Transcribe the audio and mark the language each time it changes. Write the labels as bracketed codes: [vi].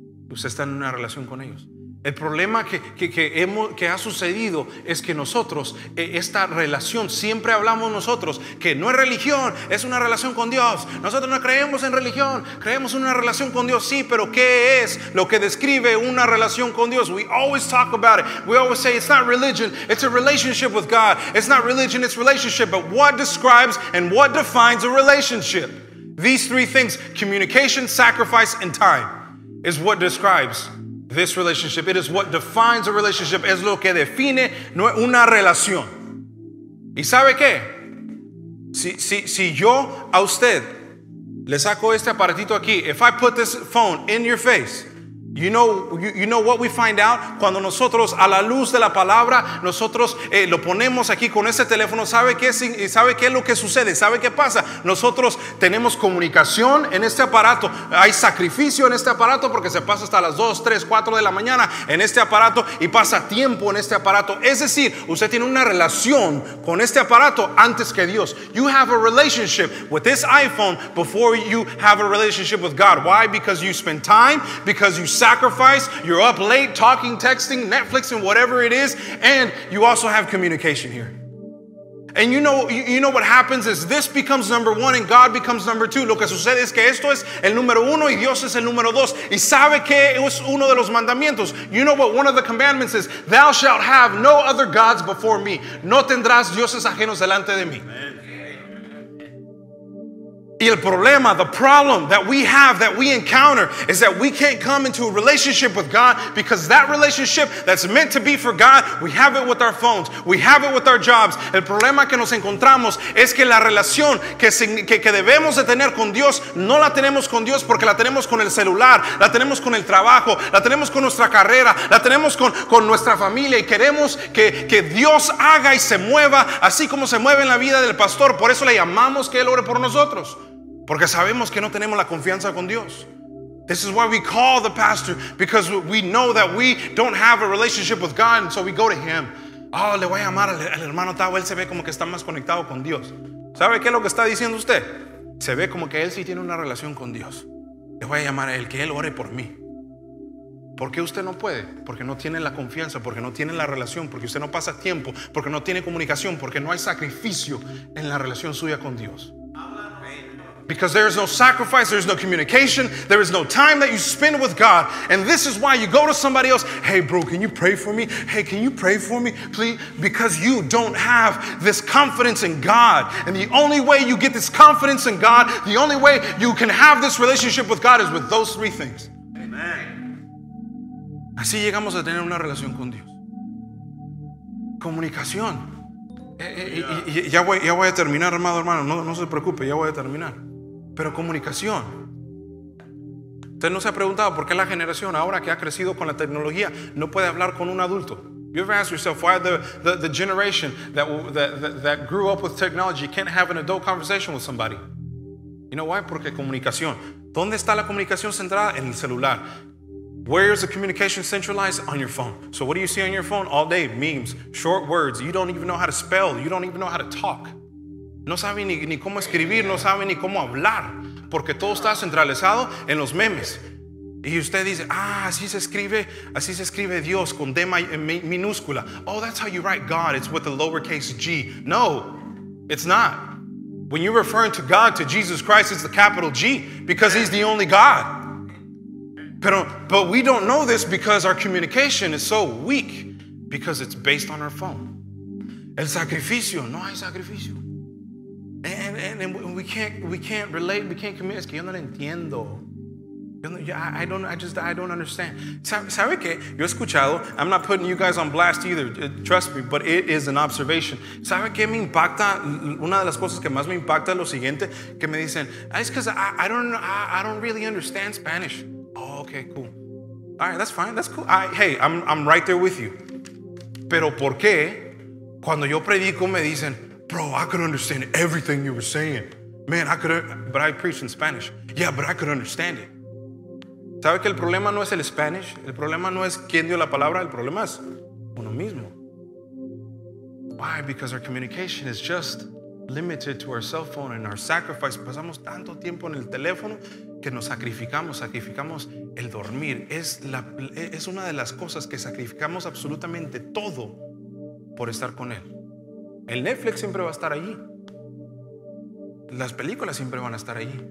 [es] Usted está en una relación con ellos. El problema que ha sucedido es que nosotros, esta relación, siempre hablamos nosotros que no es religión, es una relación con Dios. Nosotros no creemos en religión, creemos en una relación con Dios. Sí, pero ¿qué es lo que describe una relación con Dios? [en] We always talk about it. We always say it's not religion, it's a relationship with God. It's not religion, it's relationship. But what describes and what defines a relationship? These three things, communication, sacrifice, and time, is what describes this relationship. It is what defines a relationship. [es] Es lo que define una relación. ¿Y sabe qué? Si yo a usted le saco este aparatito aquí, [en] if I put this phone in your face, you know what we find out? [es] Cuando nosotros a la luz de la palabra, nosotros lo ponemos aquí con este teléfono, ¿sabe qué es lo que sucede? ¿Sabe qué pasa? Nosotros tenemos comunicación en este aparato. Hay sacrificio en este aparato porque se pasa hasta las 2, 3, 4 de la mañana en este aparato y pasa tiempo en este aparato. Es decir, usted tiene una relación con este aparato antes que Dios. [en] You have a relationship with this iPhone before you have a relationship with God. Why? Because you spend time, because you sacrifice, you're up late talking, texting, Netflix, and whatever it is, and you also have communication here. And you know what happens is this becomes number one and God becomes number two. [es] Lo que sucede es que esto es el número uno y Dios es el número dos. Y sabe que es uno de los mandamientos. [en] You know what one of the commandments is? Thou shalt have no other gods before me. [es] No tendrás dioses ajenos delante de mí. Y el problema, [en] the problem that we have, that we encounter, is that we can't come into a relationship with God because that relationship that's meant to be for God, we have it with our phones, we have it with our jobs. [es] El problema que nos encontramos es que la relación que debemos de tener con Dios, no la tenemos con Dios porque la tenemos con el celular, la tenemos con el trabajo, la tenemos con nuestra carrera, la tenemos con nuestra familia y queremos que Dios haga y se mueva así como se mueve en la vida del pastor. Por eso le llamamos que Él ore por nosotros. Porque sabemos que no tenemos la confianza con Dios. [en] This is why we call the pastor, because we know that we don't have a relationship with God, and so we go to him. [es] Oh, le voy a llamar al hermano Tavo, él se ve como que está más conectado con Dios. ¿Sabe qué es lo que está diciendo usted? Se ve como que él sí tiene una relación con Dios. Le voy a llamar a él, que él ore por mí. ¿Por qué usted no puede? Porque no tiene la confianza, porque no tiene la relación, porque usted no pasa tiempo, porque no tiene comunicación, porque no hay sacrificio en la relación suya con Dios. [en] Because there is no sacrifice, there is no communication, there is no time that you spend with God. And this is why you go to somebody else, hey bro, can you pray for me? Hey, can you pray for me, please? Because you don't have this confidence in God. And the only way you get this confidence in God, the only way you can have this relationship with God is with those three things. Amen. [es] Así llegamos a tener una relación con Dios. Comunicación. Ya voy a terminar, amado hermano. No se preocupe, ya voy a terminar. Pero comunicación. Usted no se ha preguntado por qué la generación ahora que ha crecido con la tecnología no puede hablar con un adulto. [en] You ever asked yourself why the generation that grew up with technology can't have an adult conversation with somebody? You know why? [es] Porque comunicación. ¿Dónde está la comunicación centrada? En el celular. [en] Where is the communication centralized? On your phone. So what do you see on your phone all day? Memes, short words. You don't even know how to spell. You don't even know how to talk. [es] No sabe ni cómo escribir, no sabe ni cómo hablar, porque todo está centralizado en los memes. Y usted dice, así se escribe Dios con D minúscula. [en] Oh, that's how you write God, it's with a lowercase g. No, it's not. When you're referring to God, to Jesus Christ, it's the capital G, because he's the only God. But we don't know this because our communication is so weak, because it's based on our phone. [es] El sacrificio, no hay sacrificio. [en] And we can't relate, we can't commit. [es] Es que yo no lo entiendo. [en] I don't understand. [es] ¿Sabe qué? Yo he escuchado, [en] I'm not putting you guys on blast either, trust me, but it is an observation. [es] ¿Sabe qué me impacta? Una de las cosas que más me impacta es lo siguiente, que me dicen, [en] it's because I don't really understand Spanish. Oh, okay, cool. All right, that's fine, that's cool. I'm right there with you. [es] Pero ¿por qué? Cuando yo predico me dicen, [en] bro, I could understand everything you were saying. Man, I could, but I preach in Spanish. Yeah, but I could understand it. [es] ¿Sabe que el problema no es el Spanish? El problema no es quién dio la palabra. El problema es uno mismo. [en] Why? Because our communication is just limited to our cell phone and our sacrifice. [es] Pasamos tanto tiempo en el teléfono que nos sacrificamos. Sacrificamos el dormir. Es una de las cosas que sacrificamos absolutamente todo por estar con él. El Netflix siempre va a estar allí. Las películas siempre van a estar allí.